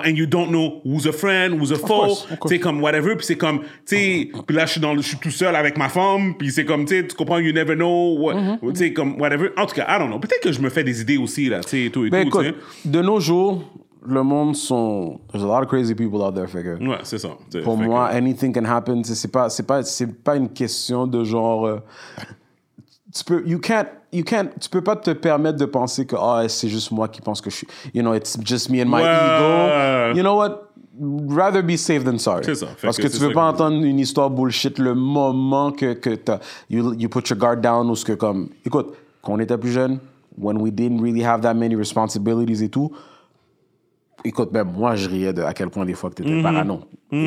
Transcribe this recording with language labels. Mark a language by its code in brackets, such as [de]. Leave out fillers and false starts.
[en] And you don't know who's a friend, who's a foe. [fr] C'est comme, whatever. Puis c'est comme, tu sais, mm-hmm. puis là, je suis tout seul avec ma femme. Puis c'est comme, tu comprends? [en] You never know. [fr] Mm-hmm. Tu sais, comme, whatever. En tout cas, [en] I don't know. [fr] Peut-être que je me fais des idées aussi, là. Tu sais, tout et ben tout. Écoute, de nos jours, le monde sont... [en] There's a lot of crazy people out there, figure. [fr] Ouais, c'est ça. C'est pour moi, que... [en] anything can happen. [fr] C'est pas une question de genre... Tu peux pas te permettre de penser que oh, c'est juste moi qui pense que je suis... [en] You know, it's just me and my ego. You know what? Rather be safe than sorry. [fr] C'est ça. Parce que tu veux pas entendre une histoire bullshit le moment que t'as... [en] You put your guard down [fr] ou ce que comme... Écoute, quand on était plus jeune, [en] when we didn't really have that many responsibilities [fr] et tout... Écoute, ben moi, je riais de à quel point des fois que t'étais mm-hmm. parano. Mm-hmm.